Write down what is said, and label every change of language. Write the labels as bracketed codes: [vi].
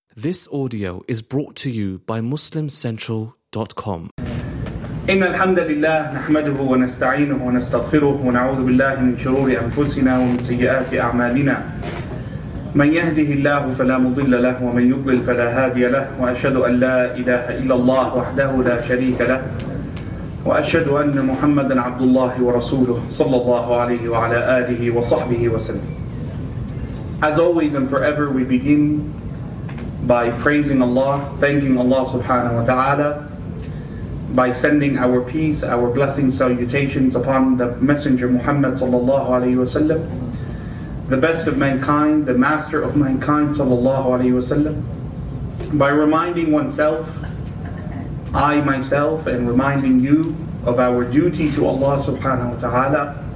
[en] This audio is brought to you by MuslimCentral.com. [ar] إن الحمد لله نحمده ونستعينه ونستغفره ونعوذ بالله من شرور أنفسنا ومن سيئات أعمالنا. من يهده الله فلا مضل له ومن يضلل فلا هادي له وأشهد أن لا إله إلا الله وحده لا شريك له وأشهد أن محمدا عبد الله ورسوله صلى الله عليه وعلى آله وصحبه وسلم. [en] As always and forever, we begin by praising Allah, thanking Allah subhanahu wa ta'ala, by sending our peace, our blessings, salutations upon the Messenger Muhammad sallallahu alayhi wa sallam, the best of mankind, the master of mankind sallallahu alayhi wa sallam, by reminding oneself, I myself, and reminding you of our duty to Allah subhanahu wa ta'ala,